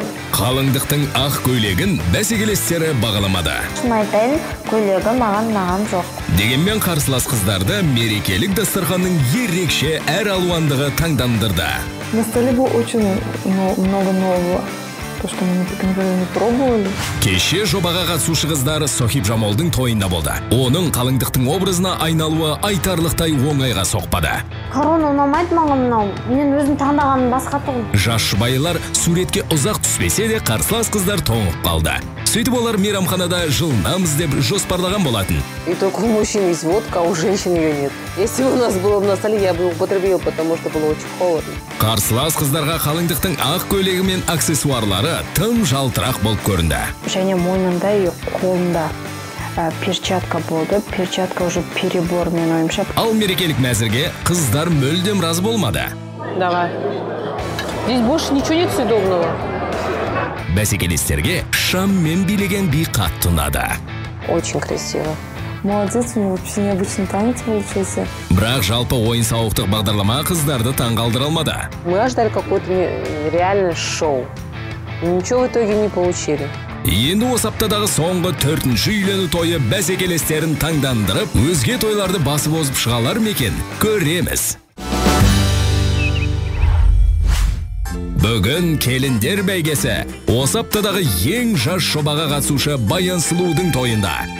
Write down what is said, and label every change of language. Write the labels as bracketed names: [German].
[Kazakh] Қалыңдықтың ақ көйлегін бәсекелестері бағаламады. Шынайтайын, көйлегі маған жоқ. Дегенмен қарсылас қыздарды мерекелік дастарханның ерекше әр алуандығы таңдандырды. [Russian] На столе было очень много нового. То, что мы никогда не пробовали. [Kazakh] Кеше жобаға қатысушы қыздар Сохиб Жамолдың тойында болды. Оның қалыңдықтың образына айналуы айтарлықтай оңайға соқпады. Корона ұнамайды маған мынау. Мен өзім таңдағаным басқа тұғын. Жас шұбайлар суретке ұзақ түспесе де қарсылас қыздар тоңып қалды. Сөйтіп олар мейрамханада жылынамыз деп жоспарлаған болатын. [Russian] И только у мужчин есть водка, у женщин ее нет. Если бы у нас было на столе, я бы употребил, потому что было очень холодно. [Kazakh] Қарсылас қыздарға қалыңдықтың ақ көйлегі мен аксессуарлары тым жалтырақ болып көрінді. Және мойнында и қолында перчатка болды. [Russian] Перчатка уже перебор, [Kazakh] мен ойымша. Ал мерекелік мәзірге қыздар мүлдем разы болмады. [Russian] Давай. Здесь больше ничего нет съедобного. [Kazakh] Бәсекелестерге шам мен билеген би қатты ұнады. [Russian] Очень красиво. Молодец, мне вообще необычный танец получился. [Kazakh] Бірақ жалпы ойын-сауықтық бағдарлама қыздарды таңғалдыра алмады. [Russian] Мы ждали какой-то реальный шоу. Ничего в итоге не получили. [Kazakh] Енді осы аптадағы соңғы 4-ші үйлену тойы бәсекелестерін таңдандырып, өзге тойларды басып озып шығалар мекен, көреміз. Бүгін келіндер бәйгесі. Осы аптадағы ең жас жобаға қатысушы Баян Сұлудың тойында.